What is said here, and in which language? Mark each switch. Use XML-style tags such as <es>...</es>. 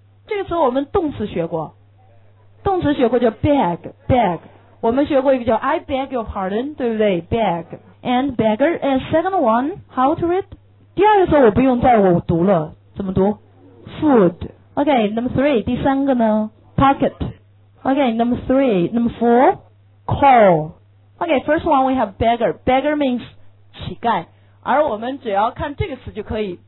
<zh>这个时候我们动词学过，动词学过叫 beg。我们学过一个叫</zh> <en>I beg your pardon，</en> <zh>对不对？</zh> <en>Beg and beggar and second one how to read？</en> <zh>第二个字我不用再我读了，怎么读？</zh> <en>Food。 OK， number three，</en> <zh>第三个呢？</zh> <en>Pocket。 OK， number three， number four， call。 OK， first one we have beggar， beggar means 乞丐，</en> <zh>而我们只要看这个词就可以。</zh>